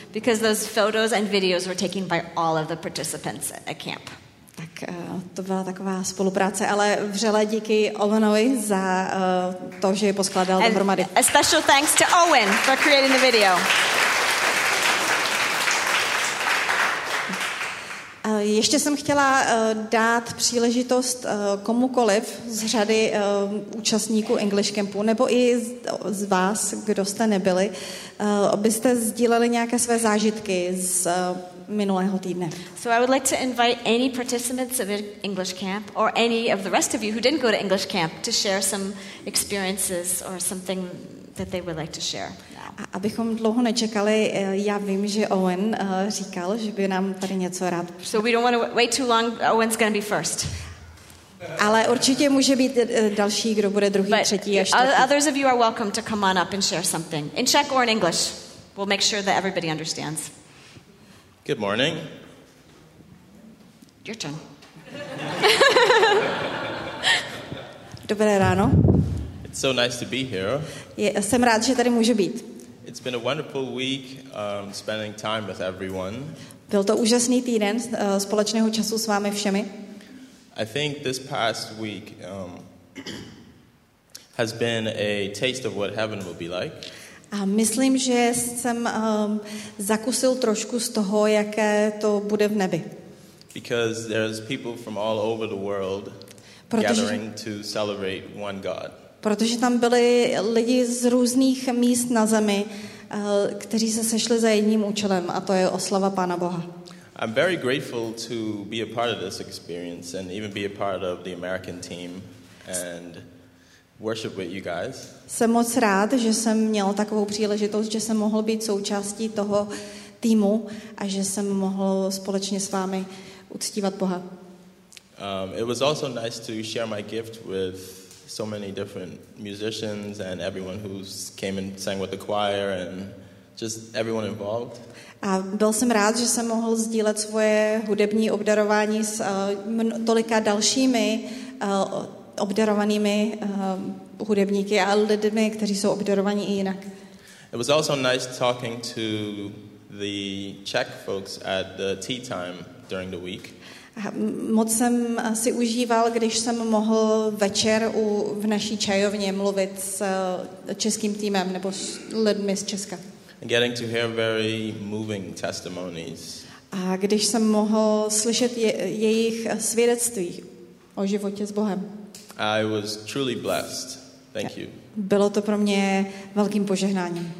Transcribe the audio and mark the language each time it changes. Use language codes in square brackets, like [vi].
[en] Because those photos and videos were taken by all of the participants at camp. [cs] Tak to byla taková spolupráce, ale vřele díky Owenovi za to, že je poskládal dohromady. [en] A special thanks to Owen for creating the video. [cs] Ještě jsem chtěla dát příležitost komukoliv z řady účastníků English Campu, nebo i z vás, kdo jste nebyli, abyste sdíleli nějaké své zážitky z minulého týdne. [en] So I would like to invite any participants of English Camp or any of the rest of you who didn't go to English Camp to share some experiences or something that they would like to share. [cs] Abychom dlouho nečekali, já vím, že Owen říkal, že by nám tady něco rád. [en] So we don't want to wait too long. Owen's going to be first. [cs] Ale určitě může být další, kdo bude druhý, [en] but [cs] třetí a čtvrtý. [en] Others of you are welcome to come on up and share something in Czech or in English. We'll make sure that everybody understands. Good morning. Your turn. [cs] Dobré ráno. [en] It's so nice to be here. [cs] Jsem rád, že tady můžu být. [en] It's been a wonderful week spending time with everyone. [cs] Byl to úžasný týden společného času s vámi všemi. [en] I think this past week has been a taste of what heaven will be like. [cs] A myslím, že jsem zakusil trošku z toho, jaké to bude v nebi. [en] Because there's people from all over the world gathering to celebrate one God. [cs] Protože tam byli lidi z různých míst na zemi, kteří se sešli za jedním účelem, a to je oslava Pána Boha. [en] I'm very grateful to be a part of this experience and even be a part of the American team and worship with you guys. [cs] Jsem moc rád, že jsem měl takovou příležitost, že jsem mohl být součástí toho týmu a že jsem mohl společně s vámi uctívat Boha. [en] It was also nice to share my gift with so many different musicians and everyone who's came and sang with the choir and just everyone involved. [cs] A byl jsem rád, že jsem mohl sdílet svoje hudební obdarování s tolika dalšími obdarovanými hudebníky a lidmi, kteří jsou obdarovaní i jinak. [en] It was also nice talking to the Czech folks at the tea time during the week. [cs] Moc jsem si užíval, když jsem mohl večer v naší čajovně mluvit s českým týmem nebo s lidmi z Česka. [en] Getting to hear very moving testimonies. [cs] A když jsem mohl slyšet jejich svědectví o životě s Bohem. [en] I was truly blessed. Thank you. [cs] Bylo to pro mě velkým požehnáním.